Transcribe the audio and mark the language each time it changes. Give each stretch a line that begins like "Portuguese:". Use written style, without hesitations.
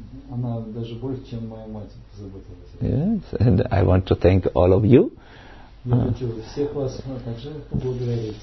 Russian: Она даже больше, чем моя мать, заботилась.
English: Yes, and I want to thank all of you.
Russian: Всех вас также поблагодарить.